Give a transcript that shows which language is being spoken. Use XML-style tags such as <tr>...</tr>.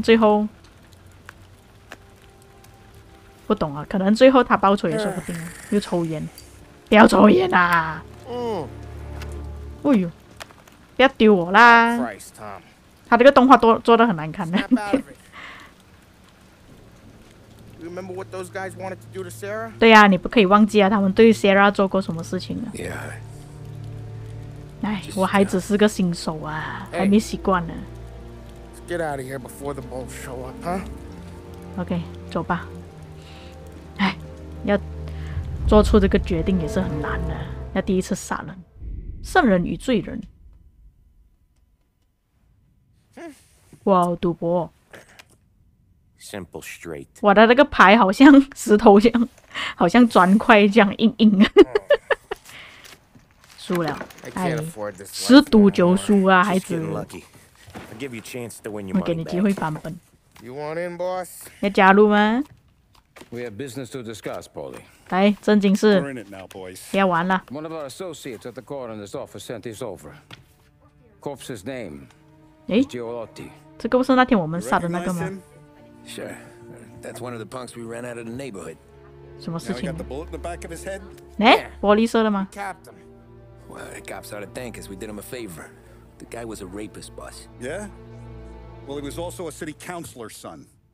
<zh>最后不懂啊，可能最后他报仇也说不定。又抽烟，不要抽烟啊！嗯。哎呦，不要丢我啦！他这个动画做得很难看的。</zh> <en>Remember what those guys wanted to do to Sarah？</en> <zh>对呀、啊，你不可以忘记啊，他们对 Sarah 做过什么事情啊</zh> <en>？Yeah。</en> <zh>哎，我还只是个新手啊，</zh> <en>hey，</en> <zh>还没习惯呢。</zh> <en>Let's get out of here before the bulls show up, huh？</en> <zh>OK， 走吧。哎，要做出这个决定也是很难的，要第一次杀人，圣人与罪人。哇，赌博</zh> <en>！Simple straight。</en> <zh>哇，他这个牌好像石头一样，好像砖块一样硬硬啊！输了，哎，十赌九输啊，孩子！我给你机会翻本。</zh> <en>You want in, boss？</en> <zh>要加入吗</zh> <en>？We have business to discuss, Polly。</en> <zh>来，正经事。</zh> <en>We're in it now, boys。</en> <zh>不要玩了。</zh> <en>One of our associates at the coroner's office sent this over. Corpse's name.</en> <zh>哎。这个不是那天我们杀的那个吗？</zh> <en>Sure. That's one of the punks we ran out of the neighborhood.</en> <zh>什么事情？</zh> <en>Now we got the bullet in the back of his head.</en> <zh>哎，玻璃射了吗？</zh> <en>Captain. Well, the cops ought to thank us. We did him a favor. The guy was a rapist, boss. Yeah. Well, he was also a city councilor's son.</en>